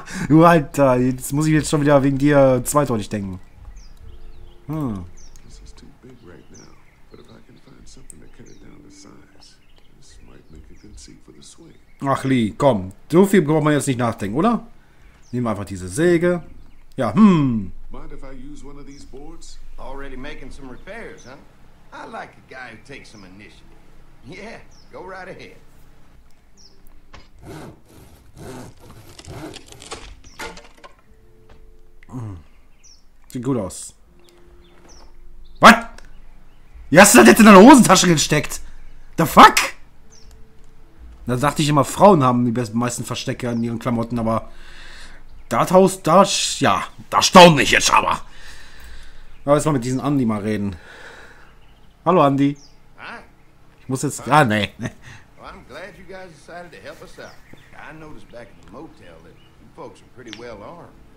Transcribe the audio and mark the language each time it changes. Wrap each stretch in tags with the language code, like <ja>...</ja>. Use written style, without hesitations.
<de>Du Alter, jetzt muss ich jetzt schon wieder wegen dir zweideutig denken. Ach Lee, komm. So viel braucht man jetzt nicht nachdenken, oder? Nehmen wir einfach diese Säge. Ja,</de> <en>Mind if I use one of these boards? Already making some repairs, huh? I like a guy who takes some initiative. Yeah, go right ahead.</en> <de>Sieht gut aus.</de> <en>What?</en> <de>Wie hast du das jetzt in deine Hosentasche gesteckt?</de> <en>The fuck?</en> <de>Da dachte ich immer, Frauen haben die meisten Verstecke in ihren Klamotten, aber das Haus, das, ja, da staune ich jetzt aber. Aber jetzt mal mit diesem Andi mal reden. Hallo Andi. Ich muss jetzt, ah ne.</de> <en>Well, I'm glad you guys decided to help us out. I noticed back in the motel that you folks are pretty well armed.</en>